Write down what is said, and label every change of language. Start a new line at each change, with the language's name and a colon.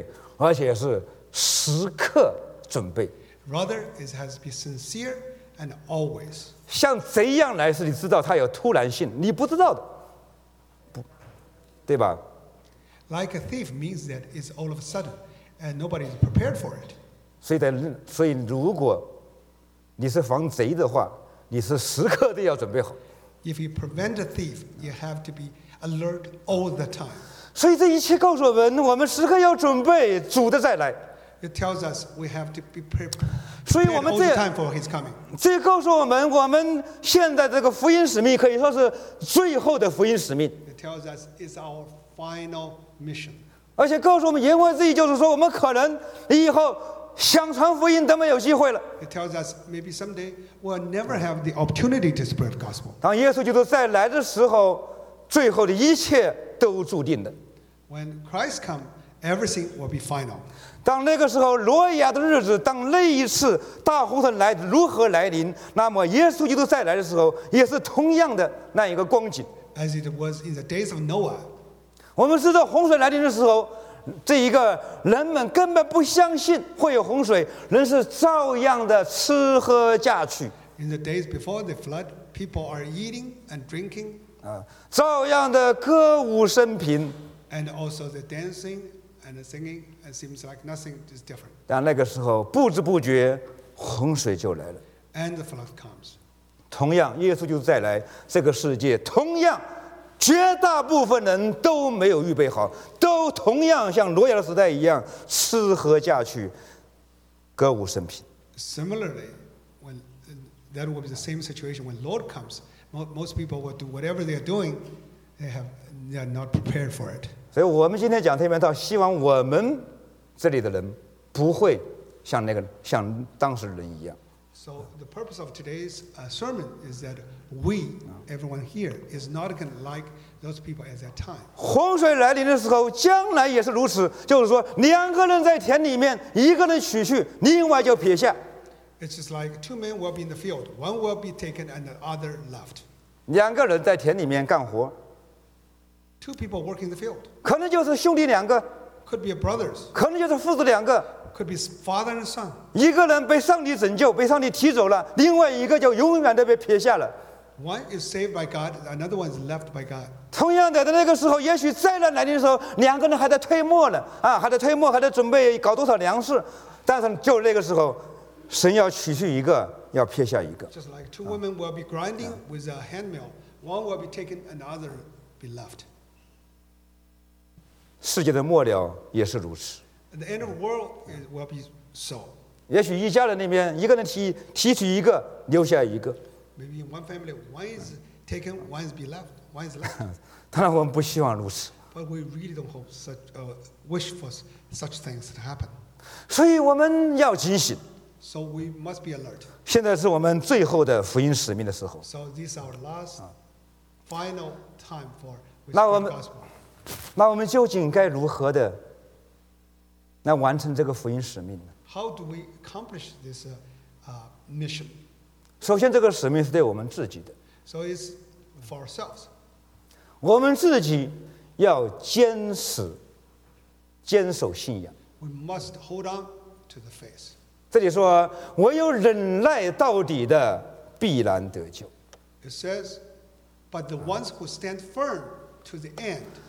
Chinese: 而是真心的准备，而且是时刻准备。
English: Rather, it has to be sincere and always.
Chinese: 像贼一样来是你知道它有突然性，你不知道的，不，对吧？
English: Like a thief means that it's all of a sudden and nobody is prepared for it.
Chinese: 所以如果 你是防贼的话，你是时刻都要准备好。
English: If you prevent a thief, you have to be alert all the time.
Chinese: 所以这一切告诉我们，我们时刻要准备主的再来。
English: It tells us we have to be prepared.
Chinese: 所以我们这告诉我们，我们现在这个福音使命可以说是最后的福音使命。
English: It tells us it's our final mission.
Chinese: 而且告诉我们，言外之意就是说，我们可能以后想传福音都没有机会了。
English: It tells us maybe someday we'll never have the opportunity to spread gospel.
Chinese: 当耶稣基督再来的时候，最后的一切都注定的。
English: When Christ comes, everything will be final.
Chinese: 当那个时候挪亚的日子，当那一次大洪水来如何来临，那么耶稣基督再来的时候也是同样的那一个光景。
English: As it was in the days of Noah,
Chinese: 我们知道洪水来临的时候，这一个人们根本不相信会有洪水，人是照样的吃喝嫁娶。
English: In the days before the flood, people are eating and drinking,
Chinese: 照样的歌舞升平。
English: And also the dancingAnd the singing, it seems like nothing is different.
Chinese: 但那个时候，不知不觉，洪水就来了。
English: And the flood comes.
Chinese: 同样，耶稣就再来，这个世界同样，绝大部分人都没有预备好，都同样像挪亚的时代一样，吃喝嫁娶，歌舞升平。
English: Similarly, when that will be the same situation when Lord comes, most people will do whatever they are doing. They are not prepared for it.
Chinese: 所以我们今天讲这篇道，希望我们这里的人不会像那个像当时的人一样。
English: So the purpose of today's sermon is that we, everyone here, is not going to like those people at that time.
Chinese: 洪水来临的时候，将来也是如此。就是说，两个人在田里面，一个人取去，另外就撇下。
English: It's just like two men will be in the field, one will be taken and the other left.
Chinese: 两个人在田里面干活。
English: Two people working in the field.
Chinese: 可能就是兄弟两个。
English: Could be a brothers.
Chinese: 可能就是父子两个。
English: Could be father and son.
Chinese: 一个人被上帝拯救，被上帝提走了，另外一个就永远的被撇下了。
English: One is saved by God, another one is left by God.
Chinese: 同样的，在那个时候，也许灾难来临的时候，两个人还在推磨呢，啊，还在推磨，还在准备搞多少粮食，但是就那个时候，神要取去一个，要撇下一个。
English: Just like two women will be grinding with a handmill, one will be taken, another be left.
Chinese: 世界的末了也是如此。
English: The end of the world will be so.
Chinese: 也许一家人里面一个人提取一个，留下一个。
English: Maybe in one family one is taken, one is be left, one is left.
Chinese: 当然我们不希望如此。
English: But we really don't hope such wish for such things to happen.
Chinese: 所以我们要警醒。
English: So we must be alert.
Chinese: 现在是我们最后的福音使命的时候。
English: So this is our last, final time for the gospel.
Chinese: 那我们究竟该如何的来完成这个福音使命呢？
English: How do we accomplish this mission?
Chinese: 首先，这个使命是对我们自己的。
English: So it's for ourselves.
Chinese: 我们自己要坚持坚守信仰。
English: We must hold on to the faith.
Chinese: 这里说，唯有忍耐到底的必然得救。
English: It says, but the ones who stand firm to the end.